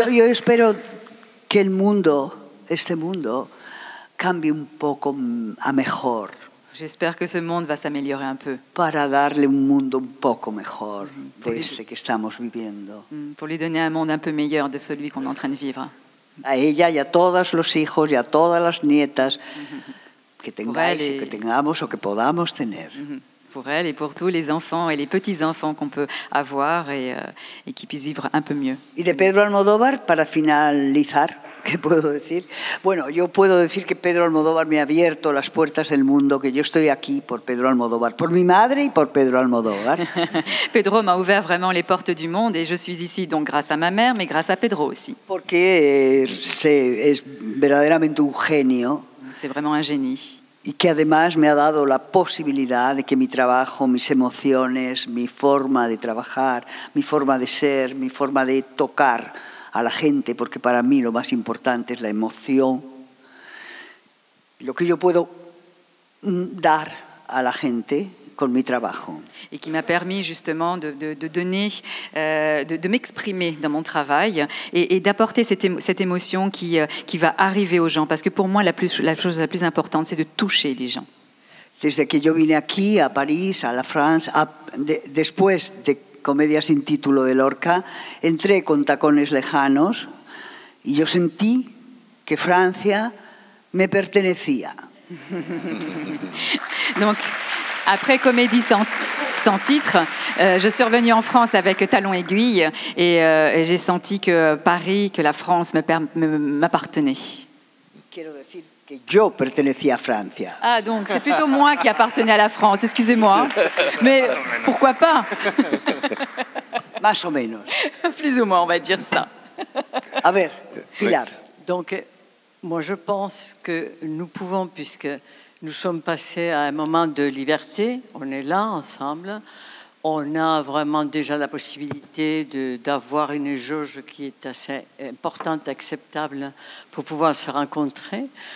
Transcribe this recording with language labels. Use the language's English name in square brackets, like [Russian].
[Spanish] espero que el mundo, este mundo, cambie un poco a mejor. [French] J'espère que ce monde va s'améliorer un peu. [Spanish] Para darle un mundo un poco mejor de este que estamos viviendo. [French] Pour lui donner un monde un peu meilleur de celui qu'on est en train de vivre. [Spanish] A ella y a todos los hijos y a todas las nietas que tengáis, que tengamos o que podamos tener. [French] Pour elle et pour tous les enfants et les petits-enfants qu'on peut avoir et qui puissent vivre un peu mieux. [Spanish] Y de Pedro Almodóvar, para finalizar, ¿qué puedo decir? Bueno, yo puedo decir que Pedro Almodóvar me ha abierto las puertas del mundo, que yo estoy aquí por Pedro Almodóvar, por mi madre y por Pedro Almodóvar. [French] Pedro m'a ouvert vraiment les portes du monde et je suis ici donc grâce à ma mère, mais grâce à Pedro aussi. [Spanish] Porque es verdaderamente un genio. [French] C'est vraiment un génie. [Spanish] Y que además me ha dado la posibilidad de que mi trabajo, mis emociones, mi forma de trabajar, mi forma de ser, mi forma de tocar a la gente, porque para mí lo más importante es la emoción, lo que yo puedo dar a la gente con mi trabajo. Y que me ha permitido justamente [French] de m'exprimer dans mon travail et d'apporter cette émotion qui va arriver aux gens. Parce que pour moi, la chose la plus importante, c'est de toucher les gens. [Spanish] Desde que yo vine aquí, a París, a [French] la France, [Spanish] después de Comedia sin título de Lorca, entré con Tacones lejanos y yo sentí que Francia me pertenecía. [French] Donc, après Comédie sans titre, je suis revenue en France avec Talon Aiguille et j'ai senti que Paris, que la France m'appartenait. [Spanish] Quiero decir que yo pertenecía a Francia. [French] Ah, donc c'est plutôt moi qui appartenais à la France, excusez-moi. Mais pourquoi pas? [Spanish] Más o menos. [French] Plus ou moins, on va dire ça. [Spanish] A ver, Pilar. [French] Donc, moi je pense que nous pouvons, puisque nous sommes passés à un moment de liberté, on est là ensemble, on a vraiment déjà la possibilité d'avoir une jauge qui est assez importante, acceptable, pour pouvoir se rencontrer.